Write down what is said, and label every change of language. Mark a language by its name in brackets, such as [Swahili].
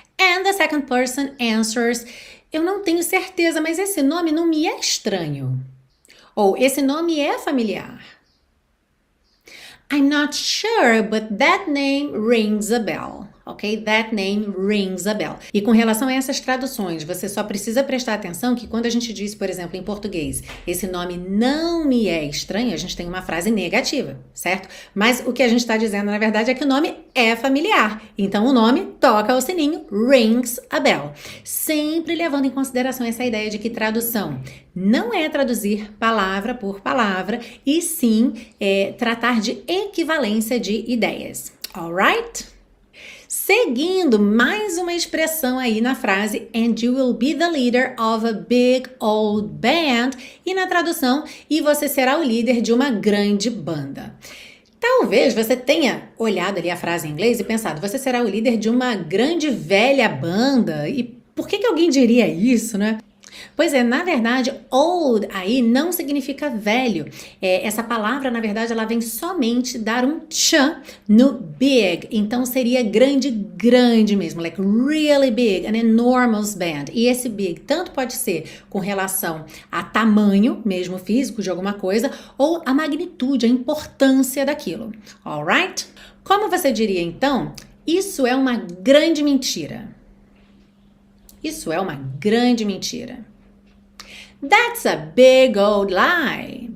[English] And the second person answers: [Portuguese] Eu não tenho certeza, mas esse nome não me é estranho. Ou esse nome é familiar. [English] I'm not sure, but that name rings a bell. Ok? That name rings a bell. [Portuguese] E com relação a essas traduções, você só precisa prestar atenção que quando a gente diz, por exemplo, em português, esse nome não me é estranho, a gente tem uma frase negativa, certo? Mas o que a gente está dizendo, na verdade, é que o nome é familiar. Então, o nome toca o sininho, rings a bell. Sempre levando em consideração essa ideia de que tradução não é traduzir palavra por palavra, e sim é tratar de equivalência de ideias. Alright? Seguindo mais uma expressão aí na frase, [English] and you will be the leader of a big old band. [Portuguese] E na tradução, e você será o líder de uma grande banda. Talvez você tenha olhado ali a frase em inglês e pensado, você será o líder de uma grande velha banda. E por que que alguém diria isso, né? Pois é, na verdade, old aí não significa velho. Essa palavra, na verdade, ela vem somente dar um tchan no big. Então seria grande, grande mesmo. [English] Like really big, an enormous band. [Portuguese] E esse big tanto pode ser com relação a tamanho mesmo físico de alguma coisa, ou a magnitude, a importância daquilo. Alright? Como você diria então? Isso é uma grande mentira. Isso é uma grande mentira. [English] That's a big old lie.